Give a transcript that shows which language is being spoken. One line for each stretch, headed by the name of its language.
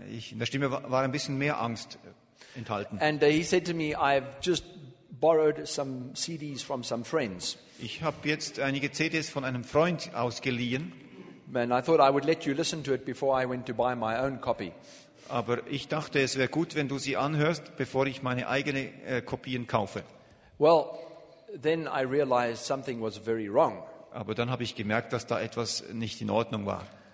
German: In der Stimme war ein bisschen mehr Angst enthalten.
English: And he said to me, I've just borrowed some CDs from some friends.
German: Ich habe jetzt einige CDs von einem Freund ausgeliehen.
English: And I thought I would let you listen to it before I went to buy my own copy.
German: Aber ich dachte, es wäre gut, wenn du sie anhörst, bevor ich meine eigene Kopien kaufe.
English: Well, then I realized something was very wrong.
German: Aber dann habe ich gemerkt, dass da etwas nicht in Ordnung war.